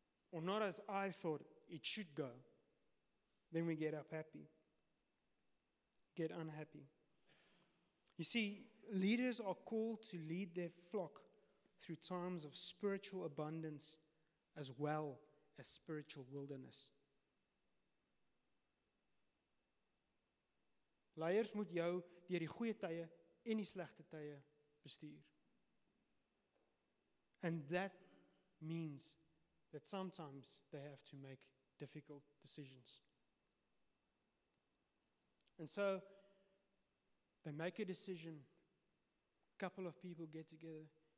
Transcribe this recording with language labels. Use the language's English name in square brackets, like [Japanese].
[English] or not as I thought it should go, then we get up happy, get unhappy. You see, leaders are called to lead their flock through times of spiritual abundance as well as spiritual wilderness. [Afrikaans] Leiers moet jou deur die goeie tye en die slegte tye bestuur. [English] And that means that sometimes they have to make difficult decisions. And so they make a decision. A couple of people get together.